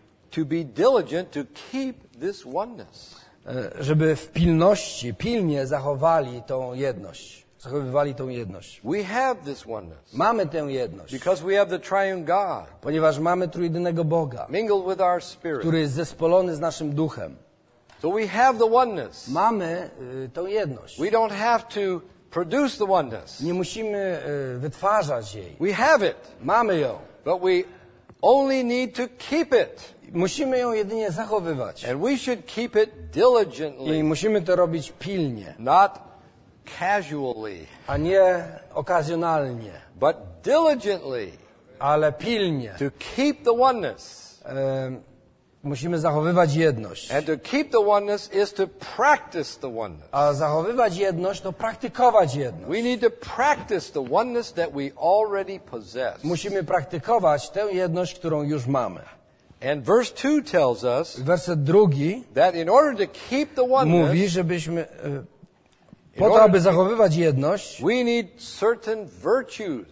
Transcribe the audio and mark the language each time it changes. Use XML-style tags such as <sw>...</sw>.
<en>To be diligent to keep this oneness.</en> <pl>Żeby w pilności, pilnie zachowali tą jedność. Zachowywali tą jedność.</pl> <en>We have this oneness.</en> <pl>Mamy tę jedność.</pl> <en>Because we have the triune God.</en> <pl>Ponieważ mamy trójjedynego Boga.</pl> <en>Mingled with our spirit.</en> <pl>Który jest zespolony z naszym duchem.</pl> <en>So we have the oneness.</en> <pl>Mamy tą jedność.</pl> <en>We don't have to produce the oneness.</en> <pl>Nie musimy wytwarzać jej.</pl> <en>We have it.</en> <pl>Mamy ją.</pl> <en>But we only need to keep it.</en> <pl>Musimy ją jedynie zachowywać.</pl> <en>And we should keep it diligently.</en> <pl>I musimy to robić pilnie.</pl> <en>Not casually.</en> <pl>A nie okazjonalnie.</pl> <en>But diligently.</en> <pl>Ale pilnie.</pl> <en>To keep the oneness.</en> <pl>Musimy zachowywać jedność.</pl> <en>And to keep the oneness is to practice the oneness.</en> <pl>A zachowywać jedność to praktykować jedność.</pl> <en>We need to practice the oneness that we already possess.</en> <pl>Musimy praktykować tę jedność, którą już mamy.</pl> <en>And verse 2 tells us</en> <pl>werset drugi</pl> <en>that in order to keep the oneness,</en> <pl>mówi, żebyśmy po to, aby zachowywać jedność,</pl> <en>we need certain virtues.</en>